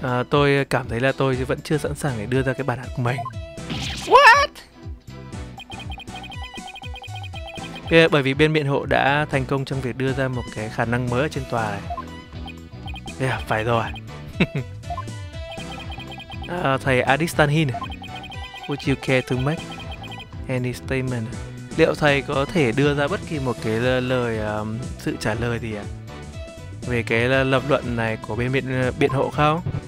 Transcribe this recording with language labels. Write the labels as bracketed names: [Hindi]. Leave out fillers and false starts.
[Vietnamese] Tôi cảm thấy là tôi vẫn chưa sẵn sàng để đưa ra cái bản án của mình. Bởi vì bên biện hộ đã thành công trong việc đưa ra một cái khả năng mới ở trên tòa này. Phải rồi. [English] Thầy Adit Tanhit, would you care to make any statement? [Vietnamese] Liệu thầy có thể đưa ra bất kỳ một cái lời sự trả lời gì về cái lập luận này của bên biện hộ không?